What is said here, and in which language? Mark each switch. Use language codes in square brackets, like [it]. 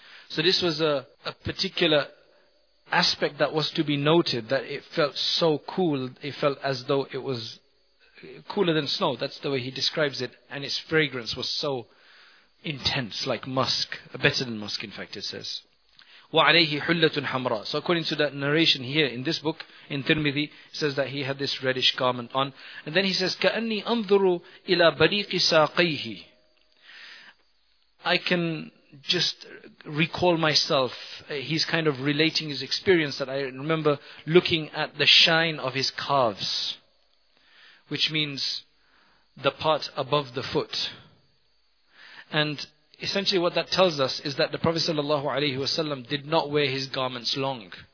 [en] So this was a particular aspect that was to be noted, that it felt so cool, it felt as though it was cooler than snow. That's the way he describes it, and its fragrance was so intense, like musk, better than musk, in fact, it says. [ar] وعليه حلة حمراء. [en] So according to that narration here in this book in Tirmidhi, it says that he had this reddish garment on. And then he says, [ar] كأني أنظر إلى بريق ساقيه. [en] I can just recall myself. He's kind of relating his experience that I remember looking at the shine of his calves, which means the part above the foot. And essentially what that tells us is that the Prophet sallallahu alaihi wasallam did not wear his garments long.